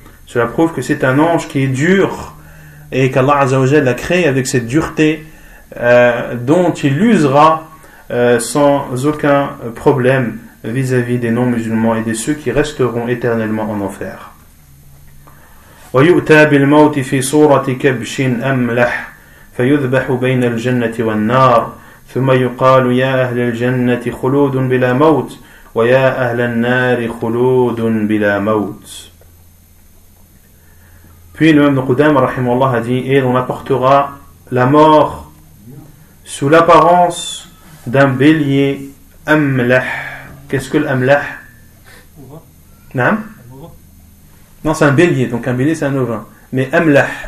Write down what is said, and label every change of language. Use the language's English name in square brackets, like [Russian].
[French] Cela prouve que c'est un ange qui est dur et qu'Allah azza wa jal l'a créé avec cette dureté dont il usera sans aucun problème vis-à-vis des non-musulmans et de ceux qui resteront éternellement en enfer. [Arabic] وَيُؤْتَى بِالْمَوْتِ فِي صُورَةِ كَبْشٍ أَمْلَحٍ فيذبح بين الجنة والنار ثم يقال يا أهل الجنة خلود بلا موت ويا أهل النار خلود بلا موت. [French] Puis le même Qudam, rahimallah, a dit, et on apportera la mort sous l'apparence d'un bélier amlah. Qu'est-ce que l'amlah? Non, c'est un bélier, donc un bélier c'est un ovin. Mais amlah.